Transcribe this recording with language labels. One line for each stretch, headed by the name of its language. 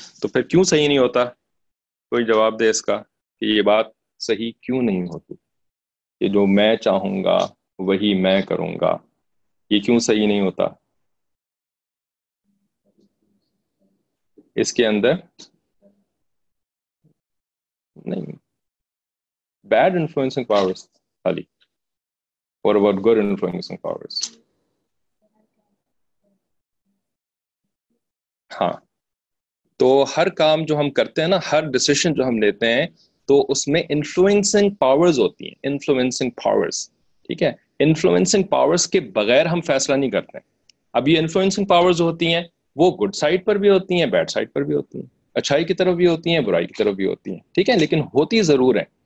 Urdu: تو پھر کیوں صحیح نہیں ہوتا؟ کوئی جواب دے اس کا کہ یہ بات صحیح کیوں نہیں ہوتی کہ جو میں چاہوں گا وہی میں کروں گا, یہ کیوں صحیح نہیں ہوتا؟ اس کے اندر نہیں, بیڈ انفلوئنسنگ پاورز خالی.
English: What about good influencing powers?
Urdu: ہاں, تو ہر کام جو ہم کرتے ہیں نا, ہر ڈسیشن جو ہم لیتے ہیں, تو اس میں انفلوئنسنگ پاورز ہوتی ہیں, انفلوئنسنگ پاورز, ٹھیک ہے. انفلوئنسنگ پاورز کے بغیر ہم فیصلہ نہیں کرتے. اب یہ انفلوئنسنگ پاورز ہوتی ہیں, وہ گڈ سائڈ پر بھی ہوتی ہیں, بیڈ سائڈ پر بھی ہوتی ہیں, اچھائی کی طرف بھی ہوتی ہیں, برائی کی طرف بھی ہوتی ہیں, ٹھیک ہے, لیکن ہوتی ضرور ہیں.